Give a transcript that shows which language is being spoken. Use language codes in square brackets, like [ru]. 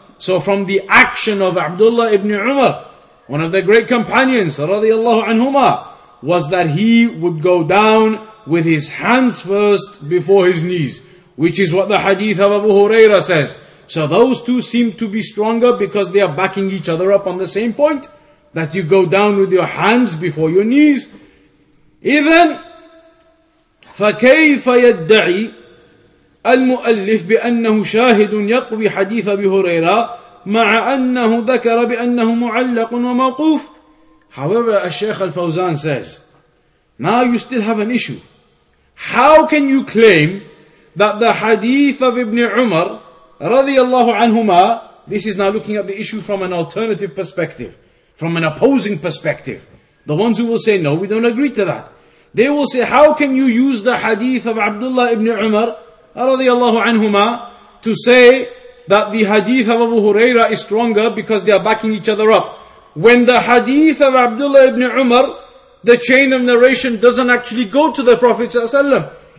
[en] So from the action of Abdullah ibn Umar, one of the great companions, radiallahu anhuma, was that he would go down with his hands first before his knees, which is what the hadith of Abu Huraira says. So those two seem to be stronger because they are backing each other up on the same point, that you go down with your hands before your knees. [ar] إذن فكيف يدعي المؤلف بأنه شاهد يقوي حديث أبي هريرة مع أنه ذكر بأنه معلق وموقوف. [en] However, as Sheikh Al-Fawzan says, now you still have an issue. How can you claim that the hadith of Ibn Umar radiallahu anhuma, this is now looking at the issue from an alternative perspective, from an opposing perspective. The ones who will say, no, we don't agree to that. They will say, how can you use the hadith of Abdullah ibn Umar radiallahu anhuma to say that the hadith of Abu Huraira is stronger because they are backing each other up, when the hadith of Abdullah ibn Umar, the chain of narration doesn't actually go to the Prophet ﷺ.